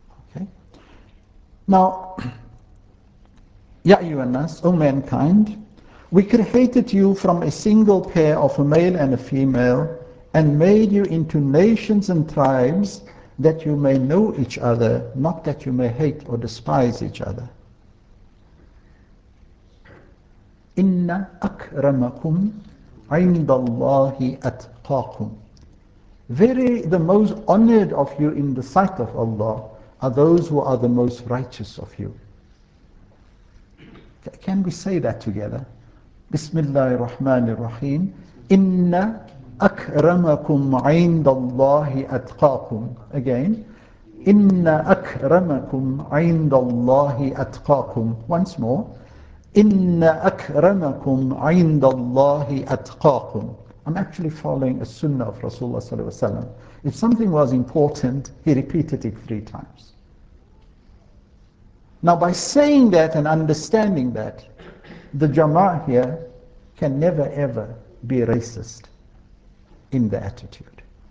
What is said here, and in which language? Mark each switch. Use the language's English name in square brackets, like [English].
[English] Okay. Now, [Arabic] Ya ayyuhan nas, [English] O mankind, we created you from a single pair of a male and a female, and made you into nations and tribes that you may know each other, not that you may hate or despise each other. [Arabic] Inna akramakum عِنْدَ اللَّهِ أَتْقَاكُمْ. [English] Very the most honored of you in the sight of Allah are those who are the most righteous of you. Can we say that together? [Arabic] Bismillahir Rahmanir Rahim. Inna akramakum عِنْدَ اللَّهِ أَتْقَاكُمْ. [English] Again. [Arabic] Inna akramakum عِنْدَ اللَّهِ أَتْقَاكُمْ. [English] Once more. [Arabic] Inna akramakum عِنْدَ اللَّهِ أَتْقَاكُمْ. [English] I'm actually following a sunnah of Rasulullah [Arabic] sallallahu alaihi wasallam. [English] If something was important, he repeated it 3 times. Now by saying that and understanding that, the jama'ah here can never ever be racist. in the attitude.